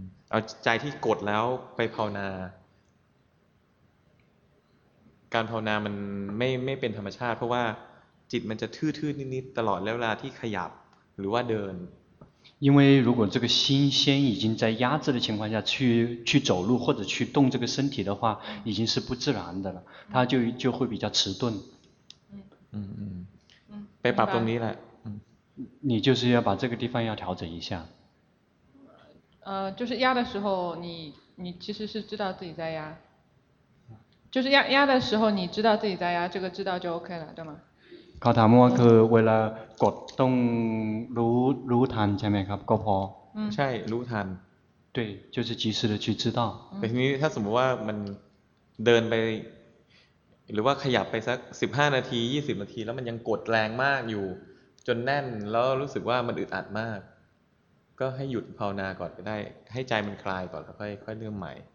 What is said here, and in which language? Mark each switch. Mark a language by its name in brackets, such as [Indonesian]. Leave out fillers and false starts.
[Thai] เอาใจที่กดแล้วไปภาวนาการภาวนามันไม่เป็นธรรมชาติเพราะว่าจิตมันจะทื่อๆนิดๆตลอดเวลาที่ขยับหรือว่าเดิน [Chinese] 因为如果这个心先已经在压制的情况下去走路或者去动这个身体的话已经是不自然的了它就会比较迟钝 [Thai] ไปปรับตรงนี้แหละ [Chinese] 你就是要把这个地方要调整一下就是压的时候你其实是知道自己在压就是压的时候你知道自己在压这个知道就 OK 了对吗 [Thai] เขาถามว่าคือเวลากดต้องรู้ทันใช่ไหมครับก็พอ ใช่รู้ทัน [Chinese] 对就是及时的去知道 [Thai] แต่ทีนี้ถ้าสมมติว่ามันเดินไปหรือว่าขยับไปสัก15นาที20นาทีแล้วมันยังกดแรงมากอยู่จนแน่นแล้วรู้สึกว่ามันอึดอัดมากก็ให้หยุดภาวนาก่อนก็ได้ให้ใจมันคลายก่อนแล้วค่อยเริ่มใหม่